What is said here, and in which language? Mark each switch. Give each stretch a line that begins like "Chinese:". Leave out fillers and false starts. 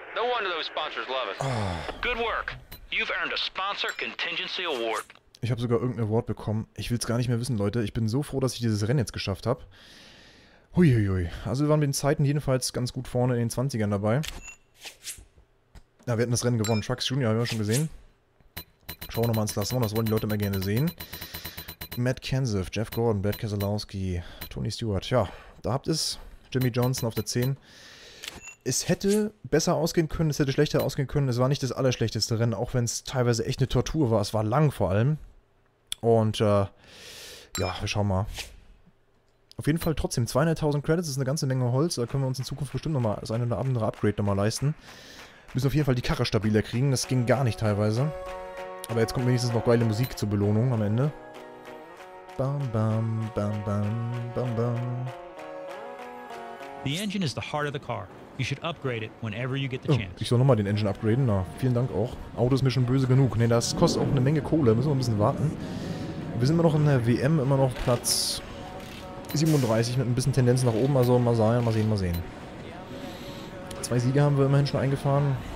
English: No wonder those sponsors love it. Oh. Good work. You've earned a sponsor contingency award.
German: Ich habe sogar irgendein Award bekommen. Ich will es gar nicht mehr wissen, Leute. Ich bin so froh, dass ich dieses Rennen jetzt geschafft habe. Huiuiui. Also wir waren mit den Zeiten jedenfalls ganz gut vorne in den 20ern dabei. Ja, wir hätten das Rennen gewonnen. Trucks Junior haben wir schon gesehen. Schauen wir nochmal ins Klassement. Das wollen die Leute mal gerne sehen. Matt Kenseth, Jeff Gordon, Brad Keselowski, Tony Stewart. Tja, da habt es. Jimmy Johnson auf der 10. Es hätte besser ausgehen können, es hätte schlechter ausgehen können. Es war nicht das allerschlechteste Rennen, auch wenn es teilweise echt eine Tortur war. Es war lang vor allem. Und ja, wir schauen mal. Auf jeden Fall trotzdem 200.000 Credits, ist eine ganze Menge Holz. Da können wir uns in Zukunft bestimmt nochmal das eine oder andere Upgrade nochmal leisten. Wir müssen auf jeden Fall die Karre stabiler kriegen. Das ging gar nicht teilweise. Aber jetzt kommt wenigstens noch geile Musik zur Belohnung am Ende. Bam, bam, bam, bam, bam, bam.
English: The engine is the heart of the car. You should upgrade it whenever you get the chance.
German: Ich soll nochmal den Engine upgraden. Na, vielen Dank auch. Auto ist mir schon böse genug. Ne, das kostet auch eine Menge Kohle. Müssen wir ein bisschen warten. Wir sind immer noch in der WM, immer noch Platz 37 mit ein bisschen Tendenz nach oben. Also mal sehen, mal sehen, mal sehen. Zwei Siege haben wir immerhin schon eingefahren.